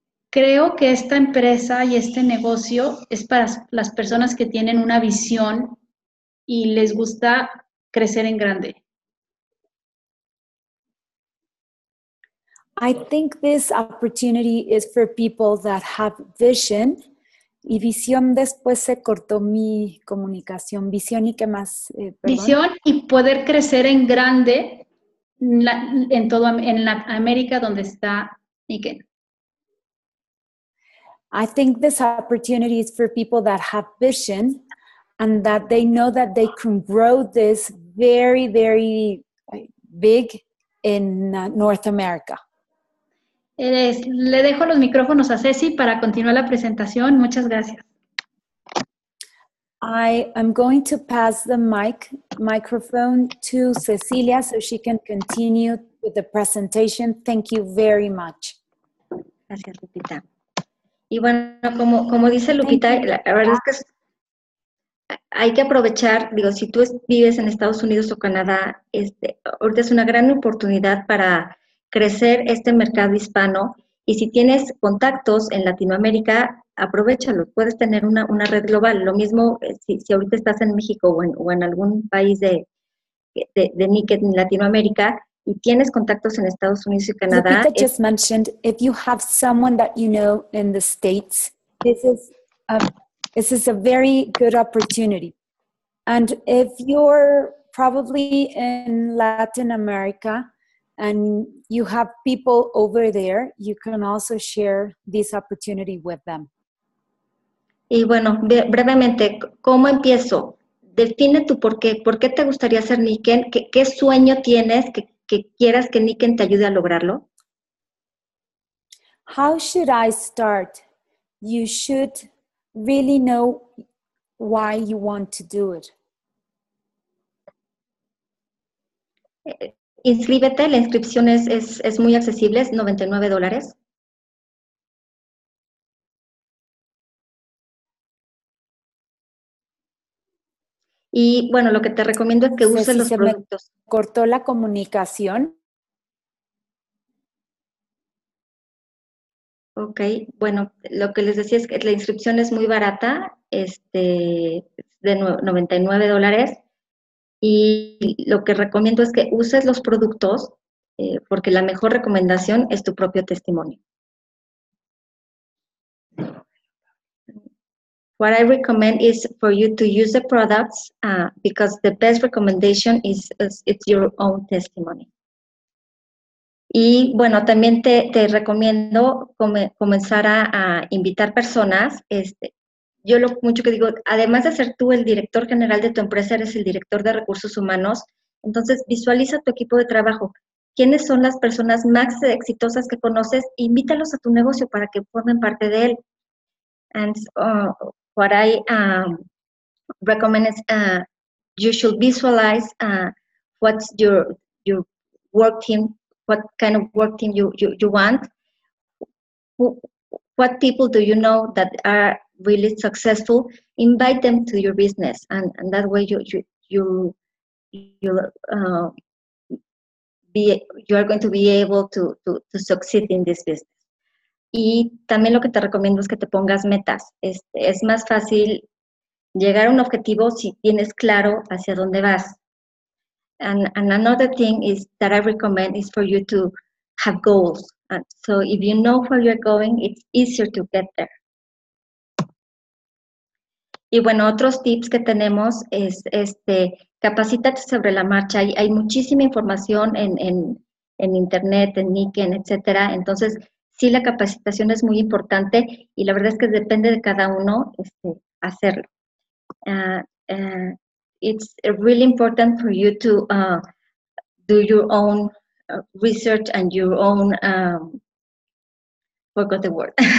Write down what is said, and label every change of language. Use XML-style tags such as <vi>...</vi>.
<es>Creo que esta empresa y este negocio es para las personas que tienen una visión y les gusta crecer en grande.</es> <en>I think this opportunity is for people that have vision.</en> <es>Y visión, después se cortó mi comunicación. Visión y qué más, perdón. Visión y poder crecer en grande en todo, en la América donde está Nikken.</es> <en>I think this opportunity is for people that have vision and that they know that they can grow this very, very big in North America.</en> <es>Le dejo los micrófonos a Ceci para continuar la presentación. Muchas gracias.</es> <en>I am going to pass the microphone to Cecilia so she can continue with the presentation. Thank you very much.</en> <es>Gracias, Lupita. Y bueno, como dice Lupita, la verdad es que hay que aprovechar, digo, si tú vives en Estados Unidos o Canadá, ahorita es una gran oportunidad para crecer este mercado hispano. Y si tienes contactos en Latinoamérica, aprovéchalo, puedes tener una red global. Lo mismo si ahorita estás en México o en algún país de Nikken en Latinoamérica, y tienes contactos en Estados Unidos y Canadá.</es> <en>Lupita just mentioned, if you have someone that you know in the States, this is a very good opportunity. And if you're probably in Latin America and you have people over there, you can also share this opportunity with them.</en> <es>Y bueno, brevemente, ¿cómo empiezo? Define tu por qué. ¿Por qué te gustaría ser Nikken? ¿Qué sueño tienes que quieras que Nikken te ayude a lograrlo?</es> <en>How should I start? You should really know why you want to do it.</en> <es>Inscríbete, la inscripción es muy accesible, es $99. Y bueno, lo que te recomiendo es que uses los productos. Cortó la comunicación. Ok, bueno, lo que les decía es que la inscripción es muy barata, de $99. Y lo que recomiendo es que uses los productos, porque la mejor recomendación es tu propio testimonio.</es> <en>What I recommend is for you to use the products because the best recommendation is your own testimony.</en> <es>Y bueno, también te recomiendo comenzar a invitar personas. Yo lo mucho que digo, además de ser tú el director general de tu empresa, eres el director de recursos humanos. Entonces, visualiza tu equipo de trabajo. ¿Quiénes son las personas más exitosas que conoces? Invítalos a tu negocio para que formen parte de él.</es> <en>And what I recommend is you should visualize what's your work team, what kind of work team you want. What people do you know that are really successful? Invite them to your business, and that way you are going to be able to succeed in this business.</en> <es>Y también lo que te recomiendo es que te pongas metas. Es más fácil llegar a un objetivo si tienes claro hacia dónde vas.</es> <en>And another thing is that I recommend is for you to have goals. And so if you know where you're going, it's easier to get there.</en> <es>Y bueno, otros tips que tenemos es capacítate sobre la marcha. Hay muchísima información en internet, en LinkedIn, etcétera. Entonces, sí, la capacitación es muy importante y la verdad es que depende de cada uno hacerlo.</es> <en>It's really important for you to do your own research and your own forgot the word.</en>